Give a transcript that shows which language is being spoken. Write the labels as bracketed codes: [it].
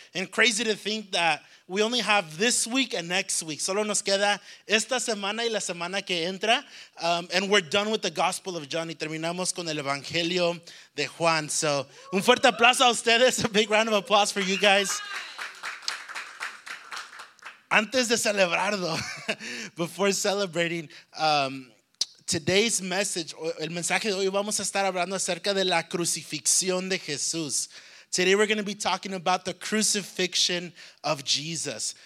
[en] And crazy to think that we only have this week and next week. [es] Solo nos queda esta semana y la semana que entra. [en] And we're done with the Gospel of John. [es] Y terminamos con el Evangelio de Juan. So, un fuerte aplauso a ustedes. [en] A big round of applause for you guys. [es] Antes de celebrarlo, [en] before celebrating, today's message, [es] el mensaje de hoy, vamos a estar hablando acerca de la crucifixión de Jesús. [en] Today we're going to be talking about the crucifixion of Jesus.